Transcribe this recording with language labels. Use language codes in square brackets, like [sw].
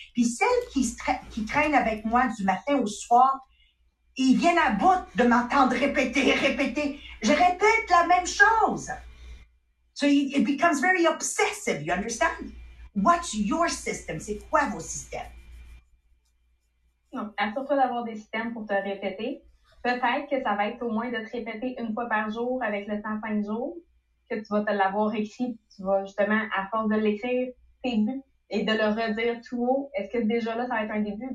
[fr] Puis celles qui traînent avec moi du matin au soir, ils viennent à bout de m'entendre répéter, répéter. Je répète la même chose. [en] So it becomes very obsessive, you understand? What's your system? [fr] C'est quoi vos systèmes? Donc, assure-toi d'avoir des systèmes pour te répéter. Peut-être que ça va être au moins de te répéter une fois par jour avec le temps 5 jours. Que tu vas te l'avoir écrit, tu vas justement, à force de l'écrire, tes buts et de le redire tout haut, est-ce que déjà là, ça va être un début?